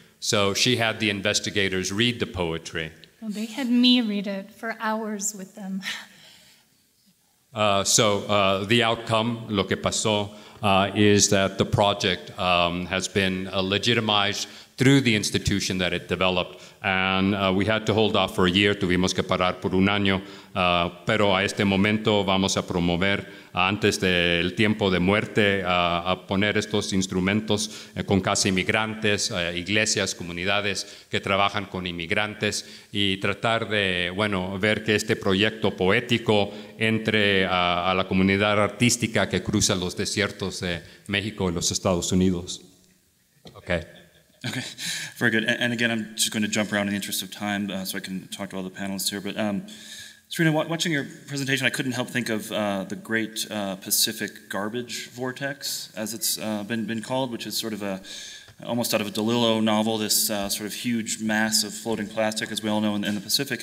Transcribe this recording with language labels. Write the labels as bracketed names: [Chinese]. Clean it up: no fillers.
[English] So she had the investigators read the poetry. Well, they had me read it for hours with them. So the outcome, [Spanish] lo que pasó, [English] is that the project has been legitimized through the institution that it developed. And we had to hold off for a year, [Spanish] tuvimos que parar por un año, pero a este momento vamos a promover, antes del tiempo de muerte, a poner estos instrumentos con casi inmigrantes, iglesias, comunidades que trabajan con inmigrantes y tratar de, bueno, ver que este proyecto poético entre a la comunidad artística que cruza los desiertos de México y los Estados Unidos. [English] Okay. Okay, very good. And again, I'm just going to jump around in the interest of time so I can talk to all the panelists here. But Serena, watching your presentation, I couldn't help think of the Great Pacific Garbage Vortex, as it's been called, which is sort of almost out of a DeLillo novel, this sort of huge mass of floating plastic, as we all know, in the Pacific.